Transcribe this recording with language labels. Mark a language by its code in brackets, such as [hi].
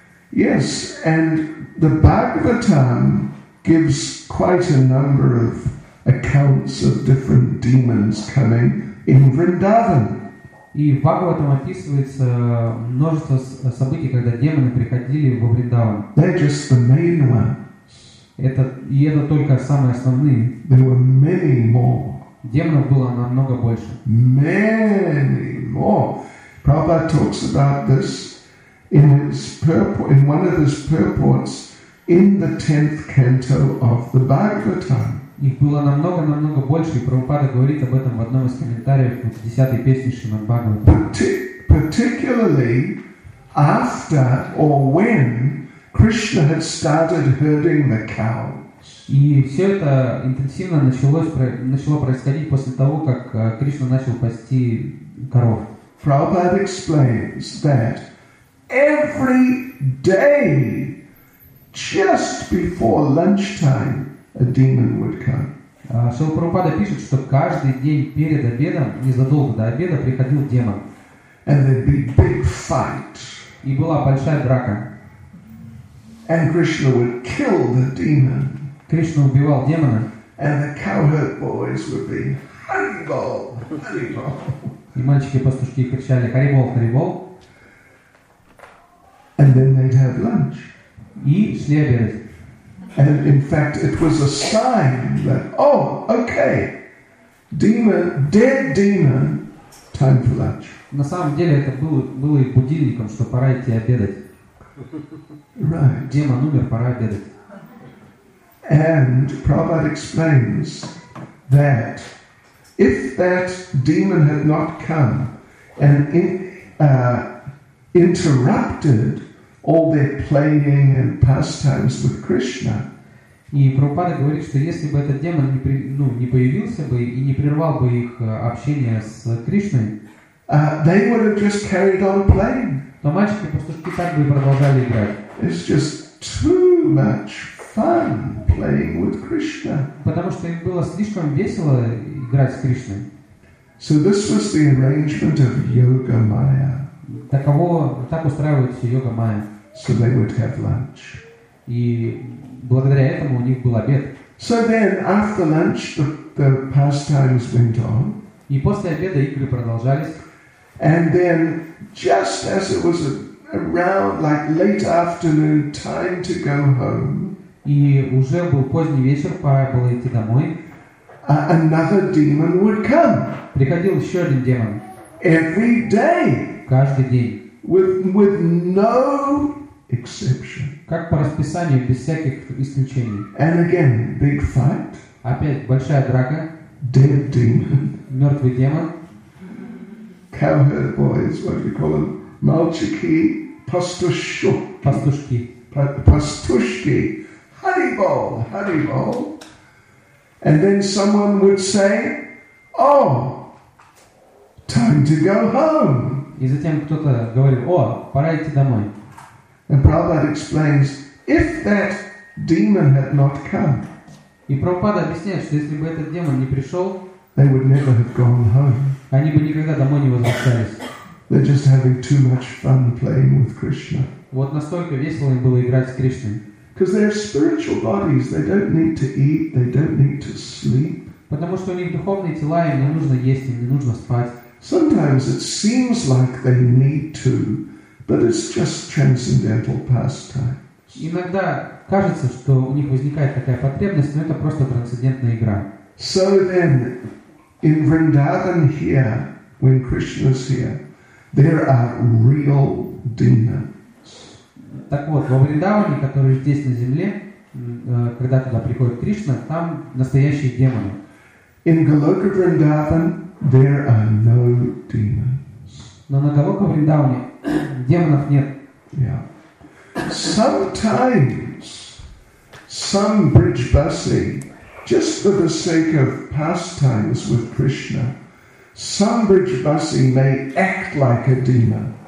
[en] Yes, and the Bhagavatam gives quite a number of accounts of different demons coming in Vrindavan. [ru] И в Бхагаватам описывается множество событий, когда демоны приходили во Вриндаван. [en] They're just the main ones. [ru] Это только самые основные. [en] There were many more. [ru] Демонов было намного больше. [en] Many more. Prabhupada talks about this in one of his purports in the 10th canto of the Bhagavatam. [ru] Их было намного больше. И Прабхупада говорит об этом в одном из комментариев в 10-й песне Шримад Бхагаватам. [en] Particularly after or when Krishna had started herding the cows. [ru] И все это интенсивно начало происходить после того, как Кришна начал пасти коров. [en] Prabhupada explains that every day, just before lunchtime, a demon would come. [ru] Шрила Прабхупада пишет, что каждый день перед обедом, незадолго до обеда, приходил демон. [en] And there'd be big fight. [ru] И была большая драка. [en] And Krishna would kill the demon. [ru] Кришна убивал демона. [en] And the cowherd boys would be Haribol, Haribol. [ru] И мальчики-пастушки кричали Haribol, Haribol. [en] And then they'd have lunch. [ru] И шли обедать. [en] And in fact, it was a sign that, oh, okay, demon, dead demon, time for lunch. [ru] На самом деле это было и будильником, что пора идти обедать. [en] Right. [ru] Демон умер, пора обедать. [en] And Prabhupada explains that if that demon had not come and interrupted all their playing and pastimes with Krishna. [ru] И Прабхупада говорит, что если бы этот демон не появился бы и не прервал бы их общение с Кришной, [en] They would have just carried on playing. [ru] Но мальчики-пастушки так бы и продолжали играть. [en] It's just too much fun playing with Krishna. [ru] Потому что им было слишком весело играть с Кришной. [en] So this was the arrangement of Yoga Maya. [ru] Так устраивается Йога Майя. [en] So they would have lunch. [ru] И благодаря этому у них был обед. [en] So then after lunch the pastimes went on. [ru] И после обеда игры продолжались. [en] And then, just as it was around like late afternoon, time to go home. И уже был поздний вечер, пора было идти домой. another demon would come. [ru] Приходил еще один демон. [en] Every day. [ru] Каждый день. [en] With no exception. [ru] Как по расписанию, без всяких исключений. [en] And again, big fight. [ru] Опять большая драка. [en] Dead demon. [ru] Мертвый демон. [en] Cowherd boys, what we call them, [ru] Malchiki, Pastushki. Пастушки. Пастушки. Haribol, Haribol. [en] And then someone would say, "Oh, time to go home." [ru] И затем кто-то говорит: "О, пора идти домой." [en] And Prabhupada explains, if that demon had not come, [ru] и Прабхупада объясняет, что если бы этот демон не пришел, [en] they would never have gone home. [ru] Они бы никогда домой не возвращались. [en] They're just having too much fun playing with Krishna. [ru] Вот настолько весело им было играть с Кришной. [en] Because they have spiritual bodies, they don't need to eat, they don't need to sleep. [ru] Потому что у них духовные тела, им не нужно есть, им не нужно спать. [en] Sometimes it seems like they need to, but it's just transcendental pastime. [ru] Иногда кажется, что у них возникает такая потребность, но это просто трансцендентная игра. [en] So then, in Vrindavan here, when Krishna's here, there are real demons. [ru] Так вот, во Вриндаване, который здесь на земле, когда туда приходит Кришна, там настоящие демоны. [en] In Goloka Vrindavan, there are no demons. [ru] Но на Голока Вриндаване демонов нет. [en] Yeah. Sometimes some bridge busing, just for the sake of pastimes with Krishna, some bridge busing may act like a demon.